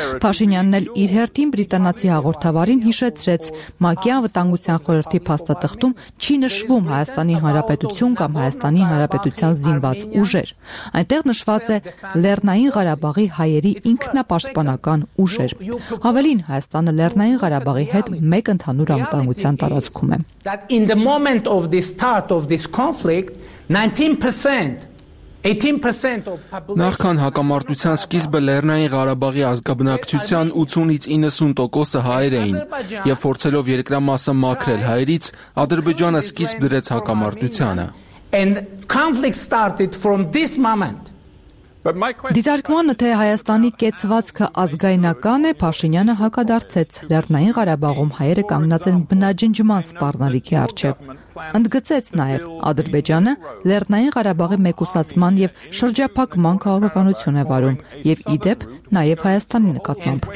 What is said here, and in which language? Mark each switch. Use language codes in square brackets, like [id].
[hy] Փաշինյանն էլ իր հերթին բրիտանացի հաղորդավարին հիշեցրեց ՄԱԿ-ի անվտանգության խորհրդի փաստաթղթում չի նշվում Հայաստանի Հանրապետություն կամ Հայաստանի Հանրապետության զինված ուժեր։ Այնտեղ նշված է Լեռնային Ղարաբաղի հայերի ինքնապաշտպանական ուժեր։ Ավելին, Հայաստանը Լեռնային Ղարաբաղի հետ մեկ ընդհանուր անվտանգության տարածքում է։ [en] In the moment of the start of this conflict, 19% 18% of population. [hy] Նախքան հակամարտության սկիզբը Լեռնային Ղարաբաղի ազգաբնակչության 80-ից 90% հայեր էին, եւ փորձելով երկրամասը մաքրել հայերից, Ադրբեջանը սկիզբ դրեց հակամարտությանը. [en] And conflict started from this moment. [hy] Դիտարկմանը, թե Հայաստանի կեցվածքը ազգայնական է, Փաշինյանը հակադարձեց. Լեռնային Ղարաբաղում հայերը կանգնած են բնաջնջման սպառնալիքի առջև. Ընդգծեց նաև, Ադրբեջանը Լեռնային Ղարաբաղի մեկուսացման և շրջափակման քաղաքականություն է վարում, և ի դեպ նաև Հայաստանի նկատմամբ։